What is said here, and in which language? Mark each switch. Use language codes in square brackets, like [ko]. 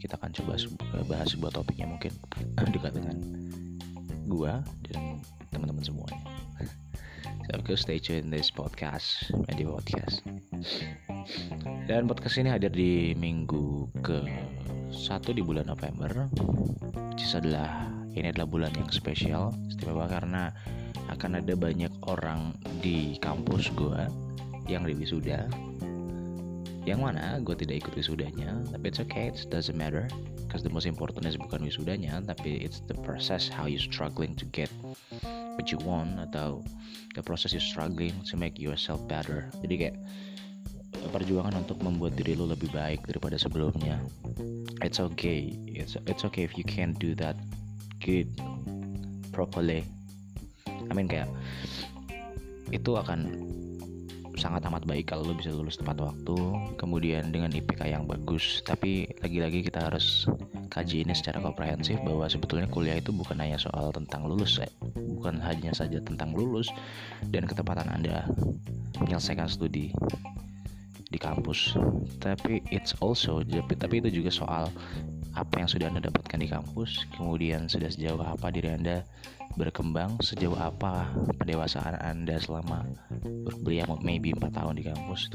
[id] Kita akan coba bahas sebuah topiknya mungkin dekat dengan gua dan teman-teman semuanya. [en] So, of course, stay tuned in this podcast, Madipodcast. [id] Dan podcast ini hadir di minggu ke 1 di bulan November. Ini adalah bulan yang spesial, istimewa karena akan ada banyak orang di kampus gue yang di wisuda. Yang mana gue tidak ikut wisudanya, tapi [en] it's okay, it doesn't matter. Because the most important is [id] bukan wisudanya, tapi [en] it's the process how you struggling to get what you want, atau the process you struggling to make yourself better. [id] Jadi kayak perjuangan untuk membuat diri lo lebih baik daripada sebelumnya. [en] It's okay if you can't do that good properly. I mean [id] kayak itu akan sangat amat baik kalau lo bisa lulus tepat waktu, kemudian dengan IPK yang bagus. Tapi lagi-lagi kita harus kaji ini secara komprehensif, bahwa sebetulnya kuliah itu bukan hanya soal tentang lulus, bukan hanya saja tentang lulus dan ketepatan Anda menyelesaikan studi di kampus, tapi itu juga soal apa yang sudah Anda dapatkan di kampus, kemudian sudah sejauh apa diri Anda berkembang, sejauh apa pendewasaan Anda selama berbelia maybe 4 tahun di kampus.